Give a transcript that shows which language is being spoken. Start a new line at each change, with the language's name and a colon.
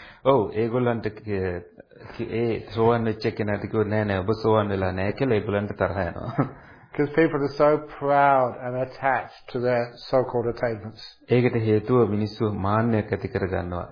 Sinhala: Oh, ඒගොල්ලන්ට ඒ සෝවන් වෙච්ච කෙනාට කිව්වොත් නෑ නෑ ඔබ සෝවන් වෙලා නෑ කියලා ඒගොල්ලන්ට තරහ යනවා.
English: Because people are so proud and attached to their so-called attainments.
Sinhala: ඒකට හේතුව මිනිස්සු මාන්නයක් ඇති කරගන්නවා.